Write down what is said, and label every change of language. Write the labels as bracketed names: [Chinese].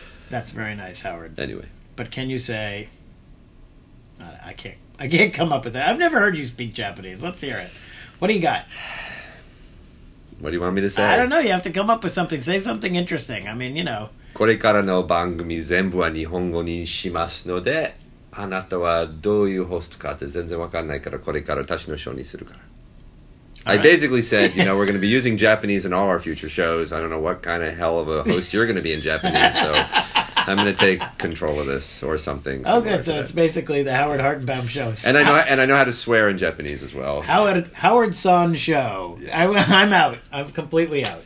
[English] That's very nice, Howard. Anyway. But can you say... I can't come up with that. I've never heard you speak Japanese. Let's hear it. What do you got? What do you want me to say? I don't know. You have to come up with something. Say something interesting. I mean, you know. [Japanese] これからの番組全部は日本語にしますので、あなたはどういうホストかって全然わかんないから、これから私のショーにするから。 [English] I basically said, you know, we're going to be using Japanese in all our future shows. I don't know what kind of hell of a host you're going to be in Japanese, so I'm going to take control of this or something. Oh, good. So it's basically the Howard Hartenbaum show. And I know how to swear in Japanese as well. Howard-san show. Yes. I'm out. I'm completely out.